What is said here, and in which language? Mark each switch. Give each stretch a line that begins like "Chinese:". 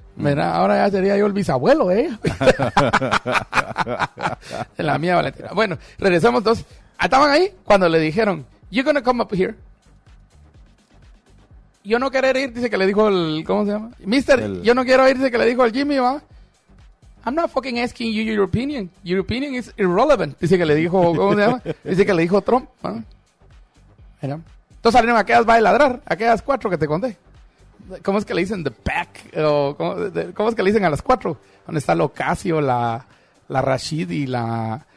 Spanish: Mira, ahora ya sería yo el bisabuelo, ¿eh? La mía Valentina. Bueno, regresamos entonces. Estaban ahí cuando le dijeron,
English: you're gonna come up here.
Spanish: Yo no querer ir, dice que le dijo el, ¿cómo se llama? Mister, yo no quiero ir, dice que le dijo el Jimmy, ¿va?
English: I'm not fucking asking you your opinion. Your opinion is irrelevant,
Spanish: dice que le dijo, ¿cómo se llama? Dice que le dijo Trump, ¿va? Mira. Entonces salieron aquellas va a ladrar, aquellas cuatro que te conté. ¿Cómo es que le dicen The Pack? ¿O cómo es que le dicen a las cuatro? ¿Dónde está Locasio, la Rashid y la...